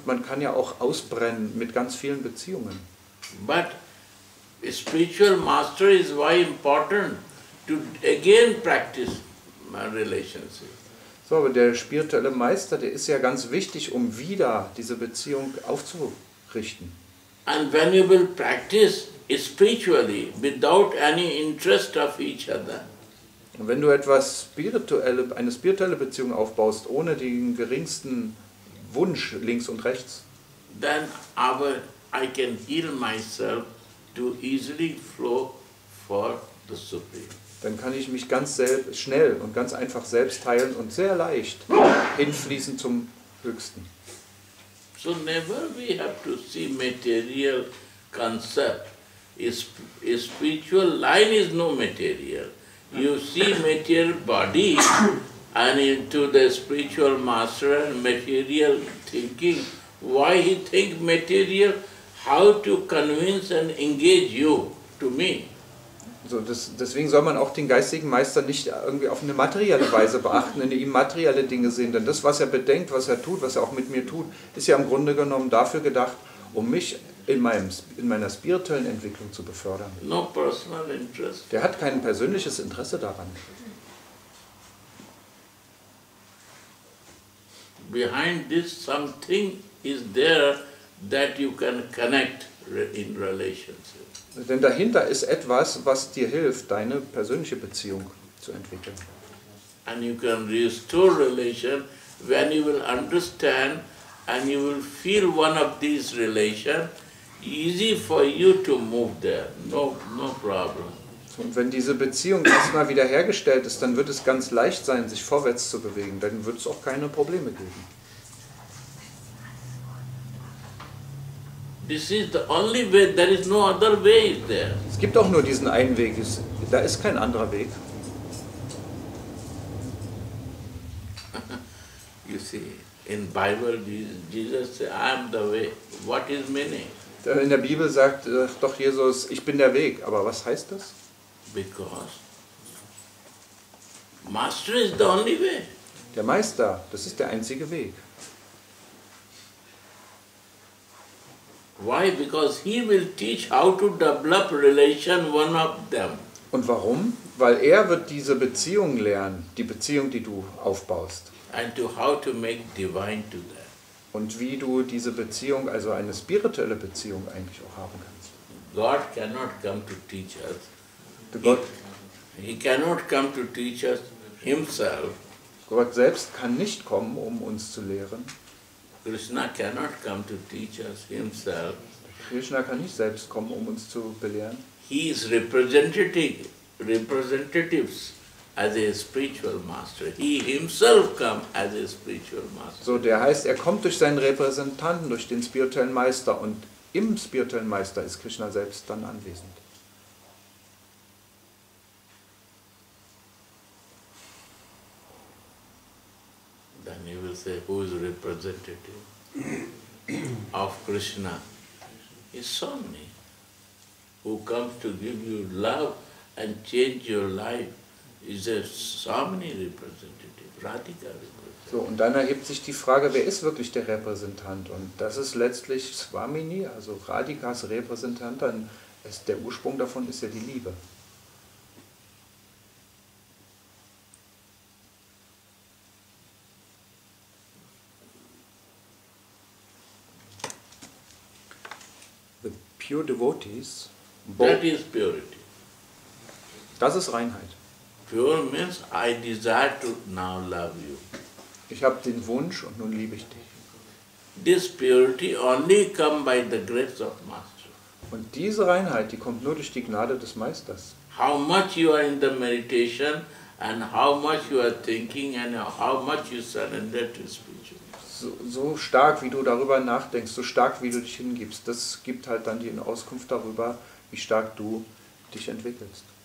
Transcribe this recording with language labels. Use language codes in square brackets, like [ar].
[de] Man kann ja auch ausbrennen mit ganz vielen Beziehungen. [en] But spiritual master is why important to again practice my relationships. [de] So, aber der spirituelle Meister, der ist ja ganz wichtig, um wieder diese Beziehung aufzurichten. [en] And when you will practice spiritually without any interest of each other. [de] Und wenn du etwas spirituelle, eine spirituelle Beziehung aufbaust, ohne den geringsten Wunsch links und rechts, [en] then I can heal myself to easily flow for the Supreme. [de] Dann kann ich mich ganz schnell und ganz einfach selbst heilen und sehr leicht hinfließen zum Höchsten. [en] So never we have to see material concept. Is spiritual line is no material. You see material body and into the spiritual master and material thinking. Why he think material? How to convince and engage you to me? [de] So deswegen soll man auch den geistigen Meister nicht irgendwie auf eine materielle Weise beachten, in ihm materielle Dinge sehen. Denn das, was er bedenkt, was er tut, was er auch mit mir tut, ist ja im Grunde genommen dafür gedacht, um mich in meiner spirituellen Entwicklung zu befördern. [en] No personal interest. [de] Der hat kein persönliches Interesse daran. [en] Behind this something is there that you can connect in relationship. [de] Denn dahinter ist etwas, was dir hilft, deine persönliche Beziehung zu entwickeln. [en] And you can restore relation when you will understand and you will feel one of these relations easy for you to move there. No problem. [de] Und wenn diese Beziehung erstmal wiederhergestellt ist, dann wird es ganz leicht sein, sich vorwärts zu bewegen. Dann wird es auch keine Probleme geben. [en] This is the only way, there is no other way there. [de] Es gibt auch nur diesen einen Weg, da ist kein anderer Weg. [en] You see, in Bible Jesus said, I am the way. What is meaning? [de] In der Bibel sagt doch Jesus, ich bin der Weg, aber was heißt das? [en] Because Master is the only way. [de] Der Meister, das ist der einzige Weg. [en] Why? Because he will teach how to develop relation one of them. [de] Und warum? Weil wird diese Beziehung lernen, die Beziehung, die du aufbaust. [en] And to how to make divine to them. [de] Und wie du diese Beziehung, also eine spirituelle Beziehung, eigentlich auch haben kannst. [en] God cannot come to teach us. He cannot come to teach us himself. [de] Gott selbst kann nicht kommen, um uns zu lehren. [en] Krishna cannot come to teach us himself. [de] Krishna kann nicht selbst kommen, um uns zu belehren. [en] He is representatives as a spiritual master. He himself come as a spiritual master. [de] So, der heißt, kommt durch seinen Repräsentanten, durch den spirituellen Meister, und im spirituellen Meister ist Krishna selbst dann anwesend. [en] Then you will say, who is representative of Krishna? It's Swami, who comes to give you love and change your life. Is a Swami representative, Radhika representative. [de] So, und dann erhebt sich die Frage, wer ist wirklich der Repräsentant? Und das ist letztlich Swamini, also Radhikas Repräsentant. Dann ist der Ursprung davon ist ja die Liebe. [en] Pure devotees, that is purity. [de] Das ist Reinheit. [en] Pure means I desire to now love you. [de] Ich habe den Wunsch und nun liebe ich dich. [en] This purity only come by the grace of master. [de] Und diese Reinheit, die kommt nur durch die Gnade des Meisters. [en] How much you are in the meditation and how much you are thinking and how much you surrender to spirituality. [de] so stark, wie du darüber nachdenkst, so stark, wie du dich hingibst, das gibt halt dann die Auskunft darüber, wie stark du dich entwickelst.